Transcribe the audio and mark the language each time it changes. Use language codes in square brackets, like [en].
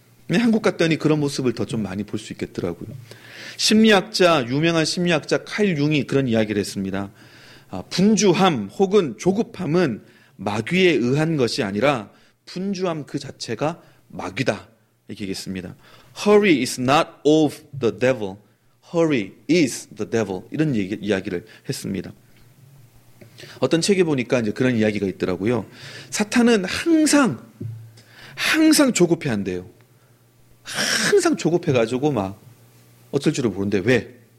[ko] 한국 갔더니 그런 모습을 더 좀 많이 볼 수 있겠더라고요. 심리학자, 유명한 심리학자 칼 융이 그런 이야기를 했습니다. 분주함 혹은 조급함은 마귀에 의한 것이 아니라 분주함 그 자체가 마귀다. 이렇게 얘기했습니다. [en] Hurry is not of the devil. Hurry is the devil. [ko] 이런 이야기를 했습니다. 어떤 책에 보니까 이제 그런 이야기가 있더라고요. 사탄은 항상 조급해 한대요. 항상 조급해가지고 막 어쩔 줄을 모르는데 왜?